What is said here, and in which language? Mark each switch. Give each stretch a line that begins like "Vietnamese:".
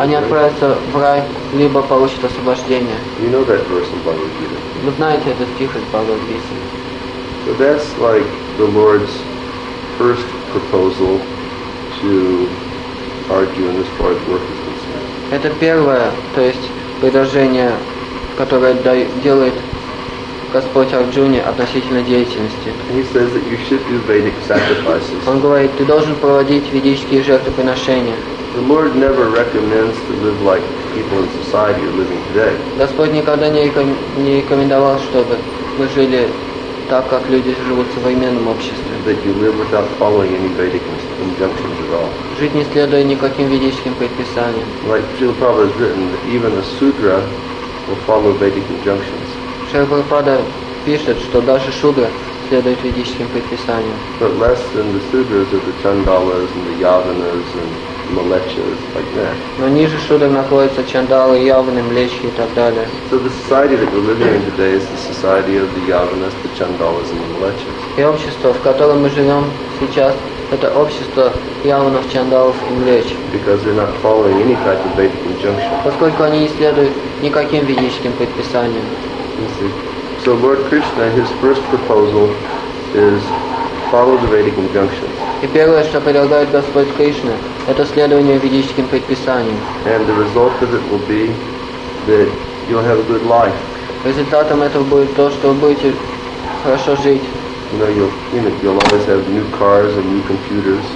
Russian: они отправятся в рай, либо получат освобождение.
English: You know that verse in Bhagavad Gita.
Russian: Вы знаете этот стих из Бхагавад Гиты.
English: So that's like the Lord's first proposal to Arjuna as far as work is concerned.
Russian: Это первое, то есть предложение, которое делает Господь Арджуне относительно деятельности.
English: He says that you should do Vedic sacrifices.
Russian: Он говорит, ты должен проводить ведические жертвоприношения.
English: The Lord never recommends to live like people in society are living today.
Russian: Господь никогда не рекомендовал, чтобы мы жили так, как люди живут в современном обществе.
English: That you live without following any Vedic injunctions at all.
Russian: Жить не следуя никаким ведическим предписаниям.
English: Like Srila Prabhupada has written, that even a sudra will follow Vedic injunctions.
Russian: Шрила Прабхупада пишет, что даже шудра следует ведическим предписаниям.
English: But less than the sudras are the chandalas and the yavanas and malechas, like that.
Russian: Но ниже шудр находятся чандалы, явны, млечи и так далее.
English: So the society that we're living in today is the society of the yavanas, the chandalas and the malechas.
Russian: И общество, в котором мы живем сейчас, это общество явных чандалов и млечи.
English: Because they're not following any type of Vedic injunction.
Russian: Поскольку они не следуют никаким ведическим предписаниям.
English: So Lord Krishna, his first proposal is follow the Vedic injunctions.
Russian: И первое, что предлагает Господь Кришна, это следование ведическим предписаниям.
English: And the result of it will be that you'll have a good life.
Russian: Результатом этого будет то, что вы будете хорошо жить.
English: You know, you'll always have new cars and new computers.